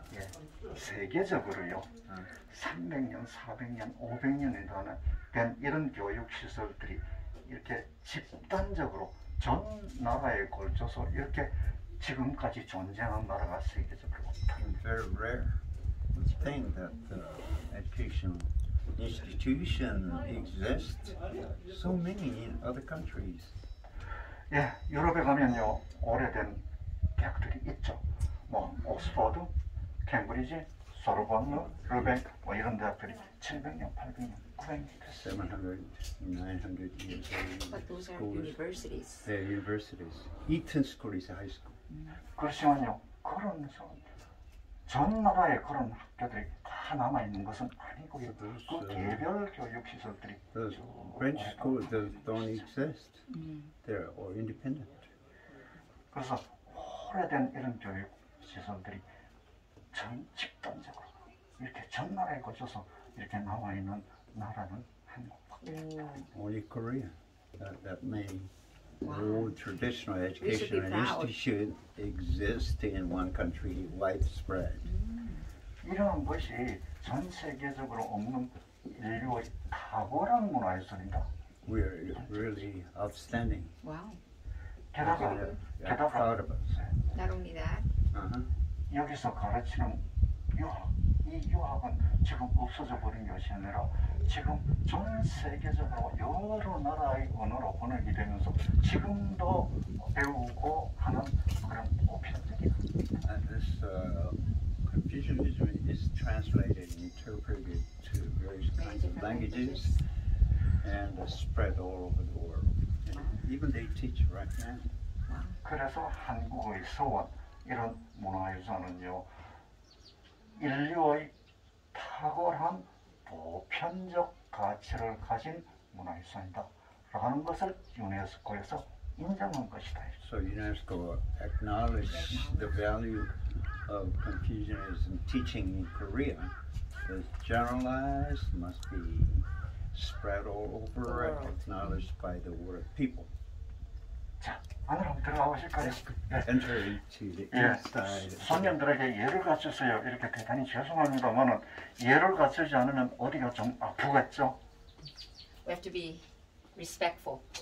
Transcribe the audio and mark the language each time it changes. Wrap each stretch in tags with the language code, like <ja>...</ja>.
<ko>예. 세계적으로요. 300년, 400년, 500년에 대한 이런 교육 시설들이 이렇게 집단적으로 전 나라에 걸쳐서 이렇게 지금까지 존재하는 나라가 세계적으로 없다는</ko> <en>very rare. Thing that educational institution exists so many in other countries.</en> <ko>예, 유럽에 가면요 오래된 대학들이 있죠. 뭐 옥스퍼드, 캠브리지, 소르본느, 르뱅크 뭐 이런 대학들이 700년, 800년, 900년,</ko> <en>700, 900 years old. But those are universities. They're universities. Eton School is a high school.</en> <ko>그렇지만요 그런 전 나라에 그런 학교들이 다 남아 있는 것은 아니고요. That's, 그 개별 교육 시설들이</ko> <en>French schools that don't exist. They're all independent.</en> <ko>그래서 오래된 이런 교육 시설들이 전 집단적으로 이렇게 전 나라에 걸쳐서 이렇게 남아 있는 나라는 한국밖에 없다.</ko> <en>Only Korea that may. All traditional education and institute exist in one country widespread.</en> <ko>이런 것이 전 세계적으로 없는 인류의 탁월한 문화예술입니다.</ko> <en>We are really outstanding. Wow.</en> <ko>게다가</ko> <en>proud of us. Not only that.</en> <ko>여기서 가르치는 유학, 이 유학은 지금 없어져 버린 것이 아니라 지금 전 세계적으로 여러 나라의 언어로 번역이 되면서 지금도 배우고 하는 그런 보편적입니다.</ko> <en>And this Confucianism is translated and interpreted to various kinds of languages and spread all over the world. And even they teach right now.</en> <ko>그래서 한국의 서원 이런 문화유산은요 인류의 탁월한 보편적 가치를 가진 문화유산이다 라는 것을 유네스코에서 인정한 것이다.</ko> <en>So UNESCO acknowledged the value of Confucianism teaching in Korea is generalized, must be spread all over and acknowledged by the word people.</en> <ko>자, 안으로 들어가보실까요?</ko> <en>Enter into the inside.</en> <ko>예, 손님들에게 예를 갖추세요. 이렇게 대단히 죄송합니다만은 예를 갖추지 않으면 어디가 좀 아프겠죠?</ko> <en>We have to be respectful.</en>